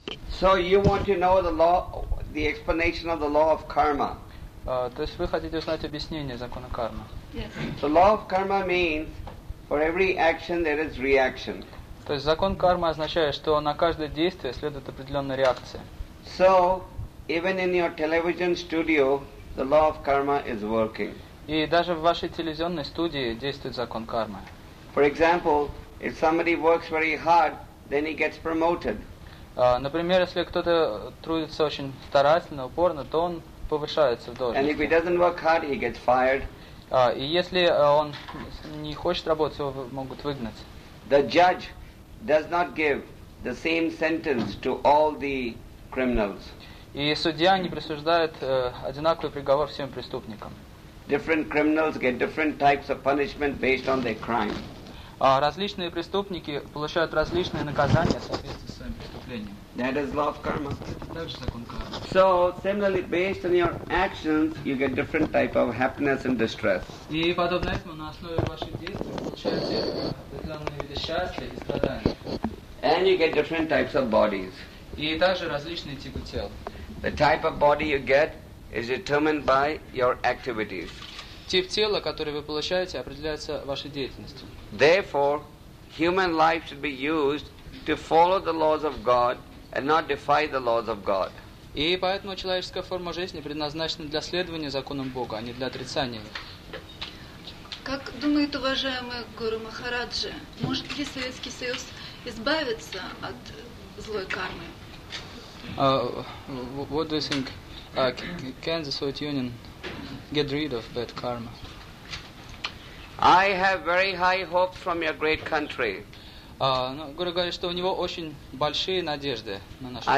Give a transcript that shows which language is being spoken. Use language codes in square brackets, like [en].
[en] So you want to know the law, the explanation of the law of karma. [ru] То есть вы хотите узнать объяснение закона кармы? [en] Yes. The law of karma means for every action there is reaction. [ru] То есть закон кармы означает, что на каждое действие следует определенная реакция. [en] So even in your television studio, the law of karma is working. [ru] И даже в вашей телевизионной студии действует закон кармы. [en] For example, if somebody works very hard, then he gets promoted. [ru] Например, если кто-то трудится очень старательно, упорно, то он повышается в должности. [en] And if he doesn't work hard, he gets fired. [ru] И если он не хочет работать, его могут выгнать. [en] The judge does not give the same sentence to all the criminals. [ru] И судья не присуждает одинаковый приговор всем преступникам. [en] Different criminals get different types of punishment based on their crime. [ru] Различные преступники получают различные наказания в соответствии с своим преступлением. [en] That is law of karma. [ru] Это также закон кармы. [en] So similarly, based on your actions, you get different type of happiness and distress. [ru] И подобно этому на основе ваших действий получаете определенные виды счастья и страдания. [en] And you get different types of bodies. [ru] И также различные типы тел. [en] The type of body you get is determined by your activities. [ru] Тип тела, который вы получаете, определяется вашей деятельностью. [en] Therefore, human life should be used to follow the laws of God and not defy the laws of God. [ru] И поэтому человеческая форма жизни предназначена для следования законам Бога, а не для отрицания их. Как думает уважаемый Гуру Махараджи, может ли Советский Союз избавиться от злой кармы? [en] What do you think? Can the Soviet Union get rid of bad karma? I have very high hopes from your great country. [ru] Гуру говорит, что у него очень большие надежды на нашу страну.